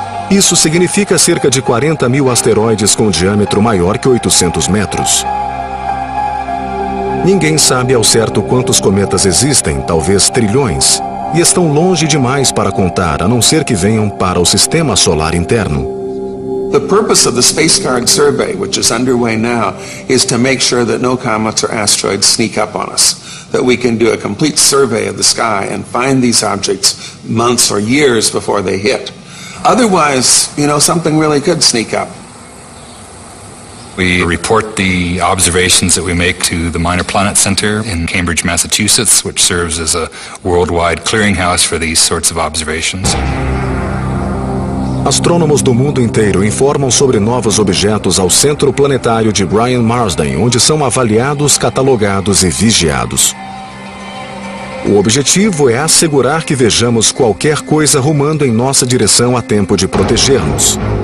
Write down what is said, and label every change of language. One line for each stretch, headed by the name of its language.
Portuguese: Isso significa cerca de 40 mil asteroides com um diâmetro maior que 800 metros. Ninguém sabe ao certo quantos cometas existem, talvez trilhões, e estão longe demais para contar, a não ser que venham para o sistema solar interno.
English: The purpose of the Space Guard survey, which is underway now, is to make sure that no comets or asteroids sneak up on us, that we can do a complete survey of the sky and find these objects months or years before they hit. Otherwise, you know, something really could sneak up. We report the observations that we make to the Minor Planet Center in Cambridge, Massachusetts, which serves as a worldwide clearinghouse for these sorts of observations.
Portuguese: Astrônomos do mundo inteiro informam sobre novos objetos ao Centro Planetário de Brian Marsden, onde são avaliados, catalogados e vigiados. O objetivo é assegurar que vejamos qualquer coisa rumando em nossa direção a tempo de protegermos.